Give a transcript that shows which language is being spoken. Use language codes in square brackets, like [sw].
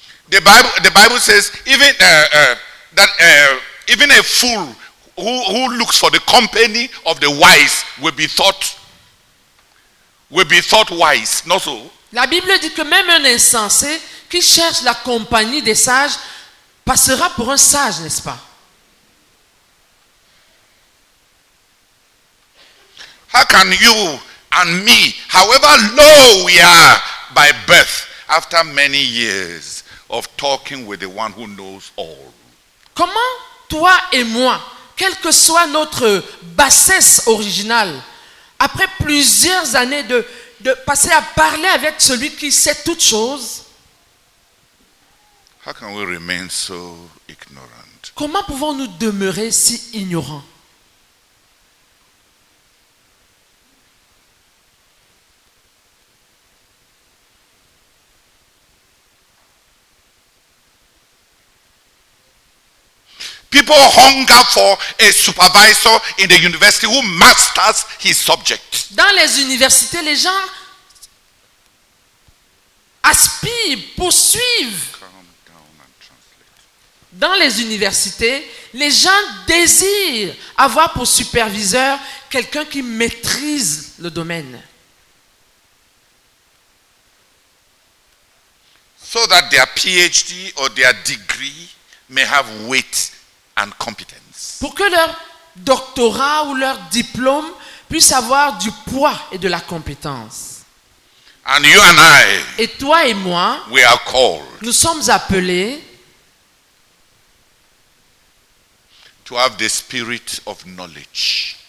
[en] The Bible says even a fool who looks for the company of the wise will be thought wise. Not so. [fr] La Bible dit que même un insensé qui cherche la compagnie des sages passera pour un sage, n'est-ce pas? [en] How can you and me, however low we are by birth, after many years of talking with the one who knows all? [fr] Comment toi et moi, quelle que soit notre bassesse originale, après plusieurs années de passer à parler avec celui qui sait toutes choses, [en] how can we remain so ignorant? [fr] Comment pouvons-nous demeurer si ignorants? [en] People hunger for a supervisor in the university who masters his subject. [fr] Dans les universités, les gens aspirent, poursuivent. [en] Calm down and translate. [fr] Dans les universités, les gens désirent avoir pour superviseur quelqu'un qui maîtrise le domaine. [en] So that their PhD or their degree may have weight. And competence. [fr] Pour que leur doctorat ou leur diplôme puisse avoir du poids et de la compétence. [en] And you and I, [fr] et toi et moi, [en] we are called, [fr] nous sommes appelés [en] to have the spirit of knowledge,